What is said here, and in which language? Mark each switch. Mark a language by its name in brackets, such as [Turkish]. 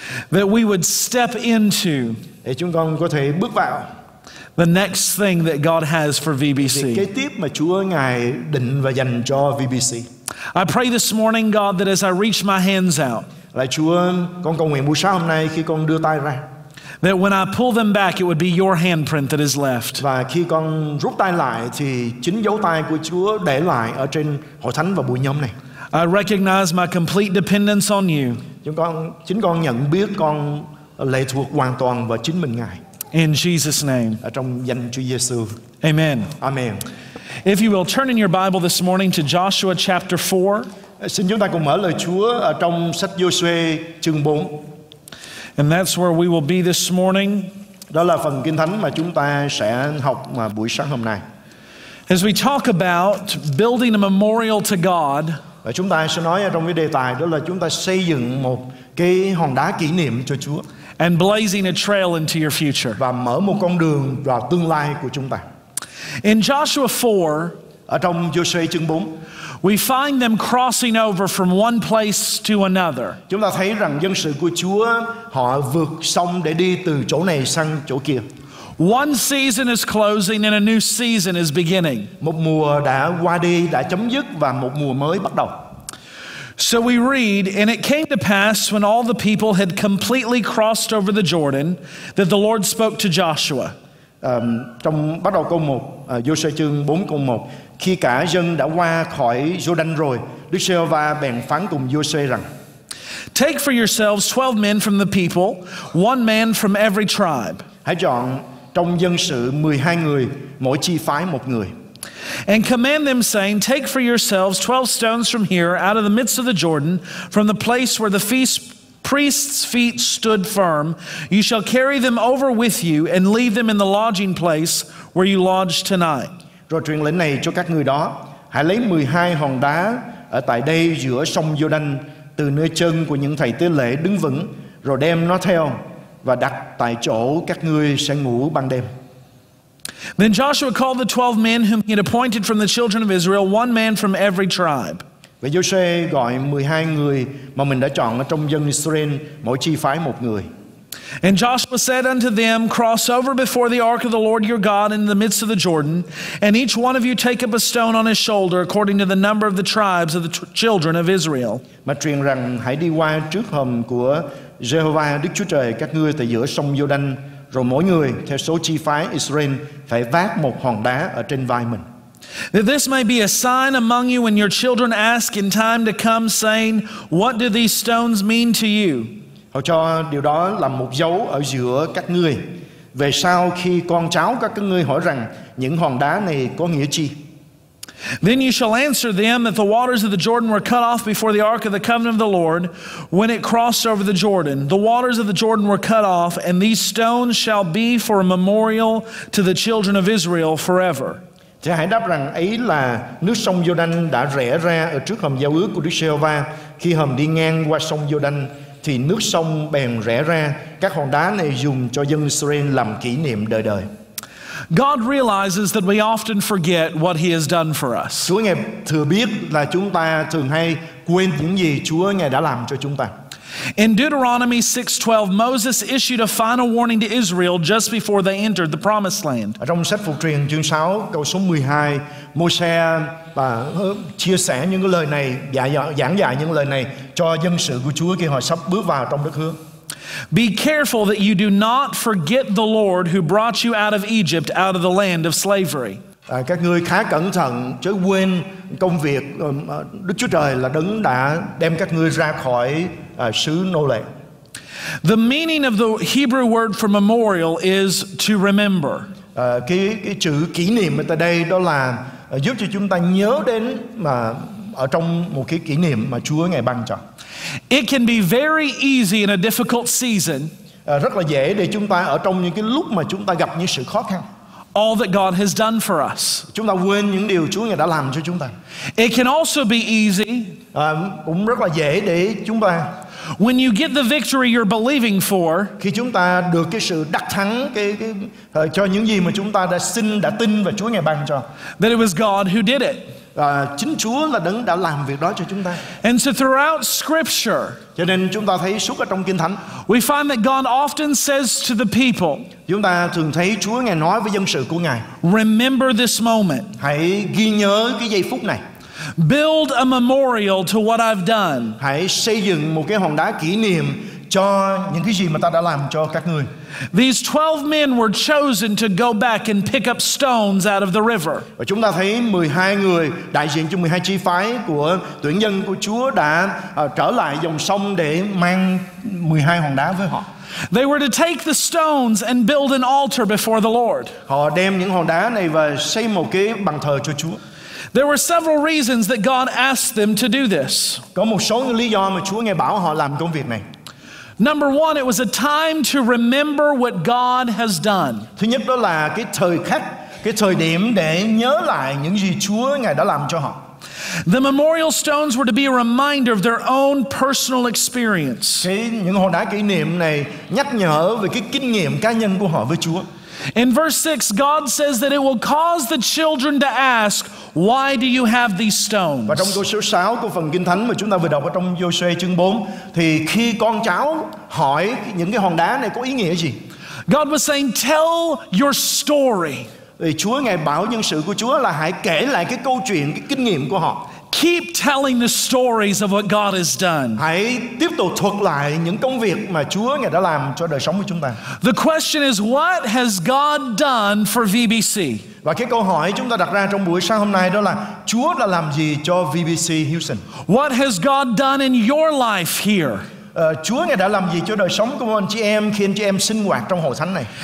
[English] That we would step into. [Vietnamese] Để chúng con có thể bước vào. [English] The next thing that God has for VBC. [Vietnamese] Cái tiếp mà Chúa ngài định và dành cho VBC. [English] I pray this morning, God, that as I reach my hands out. [Vietnamese] Lạy Chúa, con cầu nguyện buổi sáng hôm nay khi con đưa tay ra. [English] That when I pull them back, it would be your handprint that is left. [Vietnamese] Và khi con rút tay lại thì chính dấu tay của Chúa để lại ở trên hội thánh và buổi nhóm này. [English] I recognize my complete dependence on you. [Vietnamese] Chính con nhận biết con lệ thuộc hoàn toàn vào chính mình ngài. [English] In Jesus' name. [Vietnamese] Ở trong danh Chúa Giêsu. [English] Amen. [Vietnamese] Amen. [English] If you will turn in your Bible this morning to Joshua chapter 4. [Vietnamese] Xin chúng ta cùng mở lời Chúa ở trong sách Giô-suê chương 4. [English] And that's where we will be this morning. [Vietnamese] Đó là phần kinh thánh mà chúng ta sẽ học buổi sáng hôm nay. [English] As we talk about building a memorial to God, [Vietnamese] và chúng ta sẽ nói ở trong cái đề tài đó là chúng ta xây dựng một cái hòn đá kỷ niệm cho Chúa. [English] And blazing a trail into your future. [Vietnamese] Và mở một con đường vào tương lai của chúng ta. [English] In Joshua 4, [Vietnamese] ở trong Giô-suê chương 4, [English] we find them crossing over from one place to another. [Vietnamese] Chúng ta thấy rằng dân sự của Chúa họ vượt sông để đi từ chỗ này sang chỗ kia. [English] One season is closing and a new season is beginning. [Vietnamese] Một mùa đã qua đi, đã chấm dứt và một mùa mới bắt đầu. [English] So we read, and it came to pass when all the people had completely crossed over the Jordan that the Lord spoke to Joshua. [Vietnamese] Trong bắt đầu câu 1, Giô-suê chương 4 câu 1, khi cả dân đã qua khỏi Giô-đan rồi, Đức Giê-hô-va bèn phán cùng Giô-suê rằng: [English] Take for yourselves 12 men from the people, one man from every tribe. [Vietnamese] Hãy chọn trong dân sự 12 người, mỗi chi phái một người. [English] And command them saying, Take for yourselves 12 stones from here out of the midst of the Jordan, from the place where the feast priests' feet stood firm, you shall carry them over with you and leave them in the lodging place where you lodge tonight. [Vietnamese] Rồi truyền lệnh này cho các người đó, hãy lấy 12 hòn đá ở tại đây giữa sông Giô-đanh từ nơi chân của những thầy tế lễ đứng vững, rồi đem nó theo và đặt tại chỗ các ngươi sẽ ngủ ban đêm. [English] Then Joshua called the 12 men whom he had appointed from the children of Israel, one man from every tribe. [Vietnamese] Và Giô-suê gọi 12 người mà mình đã chọn ở trong dân Israel, mỗi chi phái một người. [English] And Joshua said unto them, Cross over before the ark of the Lord your God in the midst of the Jordan, and each one of you take up a stone on his shoulder according to the number of the tribes of the children of Israel. [Vietnamese] Mà truyền rằng hãy đi qua trước hầm của Jehovah Đức Chúa Trời các ngươi tại giữa sông Giô-đanh, rồi mỗi người theo số chi phái Israel phải vác một hòn đá ở trên vai mình. [English] That this may be a sign among you when your children ask in time to come, saying, What do these stones mean to you? [Vietnamese] Họ cho điều đó là một dấu ở giữa các ngươi. Về sau khi con cháu các ngươi hỏi rằng những hòn đá này có nghĩa chi? [English] Then you shall answer them that the waters of the Jordan were cut off before the ark of the covenant of the Lord when it crossed over the Jordan. The waters of the Jordan were cut off, and these stones shall be for a memorial to the children of Israel forever. [Vietnamese] Thì hãy đáp rằng ấy là nước sông Giô-đanh đã rẽ ra ở trước hầm giao ước của Đức Giê-hô-va. Khi hầm đi ngang qua sông Giô-đanh thì nước sông bèn rẽ ra. Các hòn đá này dùng cho dân Israel làm kỷ niệm đời đời. [English] God realizes that we often forget what He has done for us. [Vietnamese] Chúa Ngài thừa biết là chúng ta thường hay quên những gì Chúa Ngài đã làm cho chúng ta. [English] In Deuteronomy 6:12, Moses issued a final warning to Israel just before they entered the Promised Land. [Vietnamese] Ở trong sách Phục Truyền chương 6 câu số 12, Môi-se chia sẻ những lời này, giảng dạy những lời này cho dân sự của Chúa khi họ sắp bước vào trong đất hứa. [English] Be careful that you do not forget the Lord who brought you out of Egypt, out of the land of slavery. [Vietnamese] Các ngươi khá cẩn thận chớ quên công việc Đức Chúa Trời là đấng đã đem các ngươi ra khỏi xứ nô lệ. [English] The meaning of the Hebrew word for memorial is to remember. [Vietnamese] Cái chữ kỷ niệm ở đây đó là giúp cho chúng ta nhớ đến mà ở trong một cái kỷ niệm mà Chúa ngài ban cho. [English] It can be very easy in a difficult season. [Vietnamese] Rất là dễ để chúng ta ở trong những cái lúc mà chúng ta gặp những sự khó khăn. [English] All that God has done for us. [Vietnamese] Chúng ta quên những điều Chúa ngài đã làm cho chúng ta. [English] It can also be easy. [Vietnamese] Cũng rất là dễ để chúng ta. [English] When you get the victory you're believing for. [Vietnamese] Khi chúng ta được cái sự đắc thắng cho những gì mà chúng ta đã xin, đã tin và Chúa ngài ban cho. [English] That it was God who did it. [Vietnamese] Chính Chúa là đấng đã làm việc đó cho chúng ta. [English] And so throughout Scripture, [Vietnamese] cho nên chúng ta thấy suốt ở trong Kinh Thánh, [English] we find that God often says to the people, [Vietnamese] chúng ta thường thấy Chúa ngài nói với dân sự của ngài, [English] remember this moment, [Vietnamese] hãy ghi nhớ cái giây phút này, [English] build a memorial to what I've done, [Vietnamese] hãy xây dựng một cái hòn đá kỷ niệm cho những cái gì mà ta đã làm cho các ngươi. [English] These 12 men were chosen to go back and pick up stones out of the river. [Vietnamese] Và chúng ta thấy 12 người đại diện cho 12 chi phái của tuyển dân của Chúa đã trở lại dòng sông để mang 12 hòn đá với họ. [English] They were to take the stones and build an altar before the Lord. [Vietnamese] Họ đem những hòn đá này và xây một cái bàn thờ cho Chúa. [English] There were several reasons that God asked them to do this. [Vietnamese] Có một số lý do mà Chúa ngài bảo họ làm công việc này. [English] Number one, it was a time to remember what God has done. [Vietnamese] Thứ nhất đó là cái thời khắc, cái thời điểm để nhớ lại những gì Chúa ngài đã làm cho họ. [English] The memorial stones were to be a reminder of their own personal experience. [Vietnamese] Những hòn đá kỷ niệm này nhắc nhở về cái kinh nghiệm cá nhân của họ với Chúa. [English] In verse 6, God says that it will cause the children to ask, "Why do you have these stones?" [Vietnamese] Và trong câu số 6 của phần Kinh Thánh mà chúng ta vừa đọc ở trong Giô-suê chương 4, thì khi con cháu hỏi những cái hòn đá này có ý nghĩa gì? [English] God was saying, "Tell your story." [Vietnamese] Thì Chúa ngài bảo nhân sự của Chúa là hãy kể lại cái câu chuyện, cái kinh nghiệm của họ. [English] Keep telling the stories of what God has done. [Vietnamese] Hãy tiếp tục thuật lại những công việc mà Chúa ngài đã làm cho đời sống của chúng ta. [English] The question is, what has God done for VBC? [Vietnamese] Và cái câu hỏi chúng ta đặt ra trong buổi sáng hôm nay đó là Chúa đã làm gì cho VBC Houston? [English] What has God done in your life here? [Vietnamese] Chúa ngài đã làm gì cho đời sống của anh chị em khi anh chị em sinh hoạt trong hội thánh này?